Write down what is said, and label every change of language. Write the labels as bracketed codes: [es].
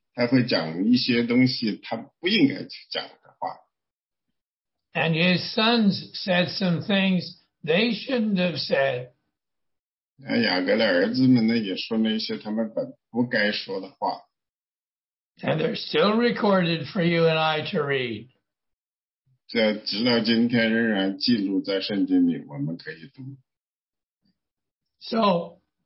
[en] And his sons said some things they shouldn't have said. [zh] 雅各的儿子们呢，也说了一些他们本不该说的话。 [en] And they're still recorded for you and I to read. [zh] 这直到今天仍然记录在圣经里，我们可以读。 [en] So,